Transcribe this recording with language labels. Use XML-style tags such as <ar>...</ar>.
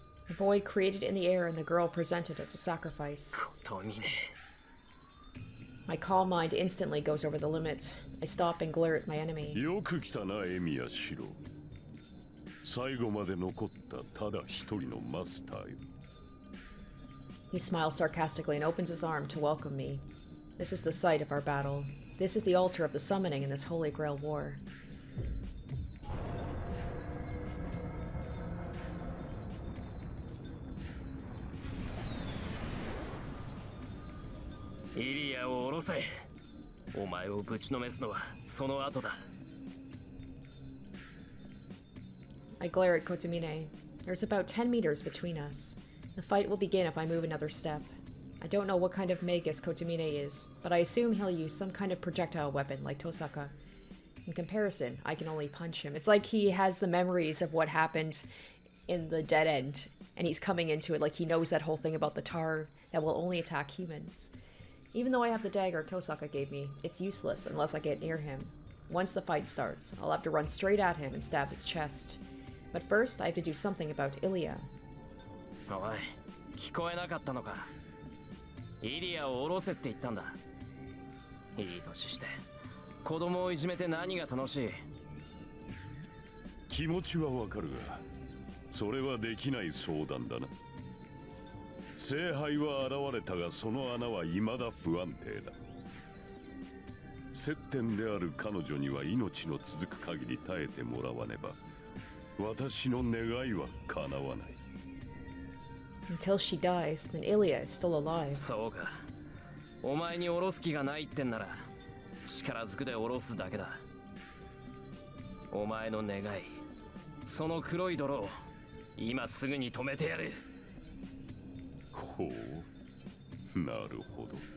<en>A boy created in the air and the girl presented as a sacrifice. Kotomine. My calm mind instantly goes over the limit. I stop and glare at my enemy.</en> <ja>よく来たな、エミヤシロ。最後まで残ったただ一人のマスターよ。</ja> <en>He smiles sarcastically and opens his arm to welcome me. This is the site of our battle. This is the altar of the summoning in this Holy Grail war.</en> <ja>イリアを下ろせ。お前をぶちのめすのはその後だ。</ja> <en>I glare at Kotomine. There's about 10 meters between us. The fight will begin if I move another step. I don't know what kind of magus Kotomine is, but I assume he'll use some kind of projectile weapon like Tosaka. In comparison, I can only punch him. It's like he has the memories of what happened in the dead end, and he's coming into it like he knows that whole thing about the tar that will only attack humans. Even though I have the dagger Tosaka gave me, it's useless unless I get near him. Once the fight starts, I'll have to run straight at him and stab his chest. But first, I have to do something about Ilya.</en> <ja>おい、聞こえなかったのか。イリアを下ろせって言ったんだ。いい年して、子供をいじめて何が楽しい。気持ちはわかるが、それはできない相談だな。聖杯は現れたが、その穴は未だ不安定だ。接点である彼女には命の続く限り耐えてもらわねば、私の願いは叶わない。</ja> <en>Until she dies, then Ilya is still alive.</en> <ja>そうか。お前に下ろす気がないってんなら、力ずくで下ろすだけだ。お前の願い、その黒い泥を今すぐに止めてやる。ほう、なるほど。</ja>